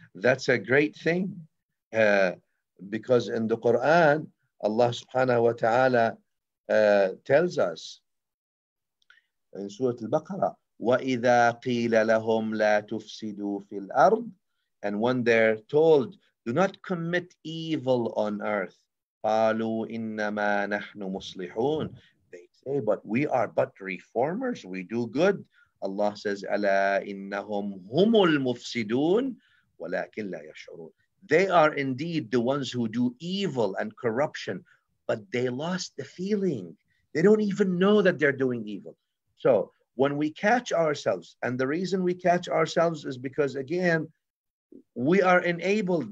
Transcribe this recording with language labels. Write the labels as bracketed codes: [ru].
[en] That's a great thing. Because in the Quran, Allah subhanahu wa ta'ala tells us in Surah Al-Baqarah, [ar] وَإِذَا قِيلَ لَهُمْ لَا تُفْسِدُوا فِي الْأَرْضِ. [en] And when they're told, do not commit evil on earth, [ar] قَالُوا إِنَّمَا نَحْنُ مُصْلِحُونَ. [en] They say, but we are but reformers, we do good. Allah says, [ar] أَلَا إِنَّهُمْ هُمُ الْمُفْسِدُونَ وَلَكِنْ لَا يَشْعُرُونَ. [en] They are indeed the ones who do evil and corruption, but they lost the feeling. They don't even know that they're doing evil. So when we catch ourselves, and the reason we catch ourselves is because, again, we are enabled.